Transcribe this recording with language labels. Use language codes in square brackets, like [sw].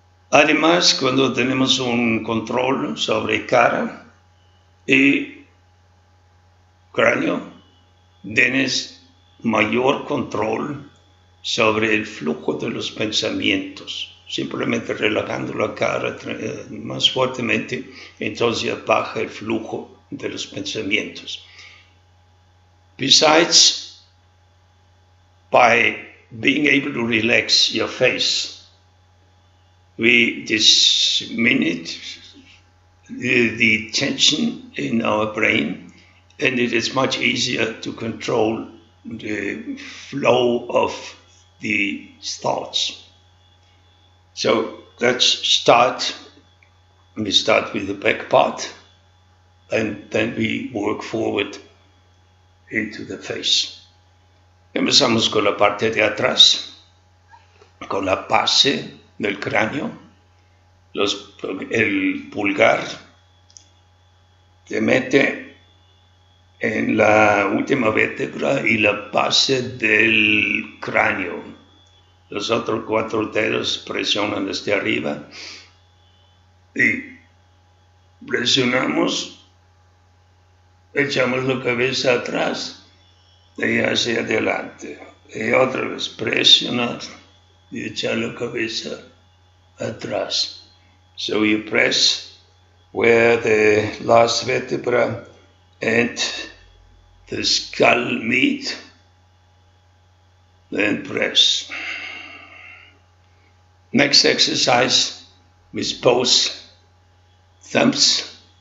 [es] Además, cuando tenemos un control sobre cara y cráneo, tienes mayor control sobre el flujo de los pensamientos. Simplemente relajando la cara más fuertemente, entonces ya baja el flujo de los pensamientos. [en] Besides, by being able to relax your face, we diminish the tension in our brain, and it is much easier to control the flow of the thoughts. So let's start. We start with the back part, and then we work forward into the face. [es] Empezamos con la parte de atrás, con la base del cráneo, el pulgar se mete en la última vértebra y la base del cráneo. Los otros cuatro dedos presionan desde arriba y presionamos, echamos la cabeza atrás y hacia adelante, y otra vez presionar y echar la cabeza atrás. [en] So you press where the last vertebra and the skull meet, then press. Next exercise with both thumbs.